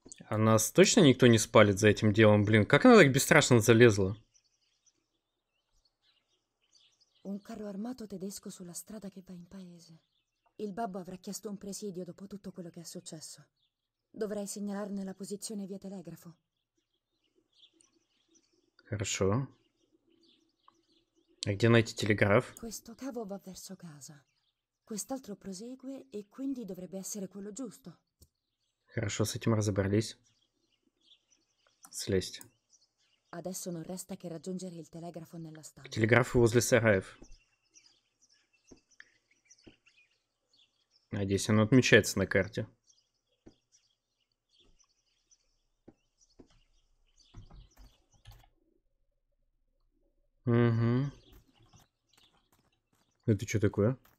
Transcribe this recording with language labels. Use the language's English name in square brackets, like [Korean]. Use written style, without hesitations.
[Russian] А нас точно никто не спалит за этим делом, блин? Как она так бесстрашно залезла? [Italian] Un carro armato tedesco sulla strada che va in paese. Il babbo avrà chiesto un presidio dopo tutto quello che è successo. Dovrei segnalarne la posizione via telegrafo. [Russian] Хорошо. А где найти телеграф? [Italian] Questo cavo va verso casa. Quest'altro prosegue e quindi dovrebbe essere quello giusto. [Russian] Хорошо, с этим разобрались. Слезть. [Italian] Adesso non resta che raggiungere il telegrafo nella stanza. [Russian] Телеграф возле сараев. Надеюсь, оно отмечается на карте. Угу. Это что такое?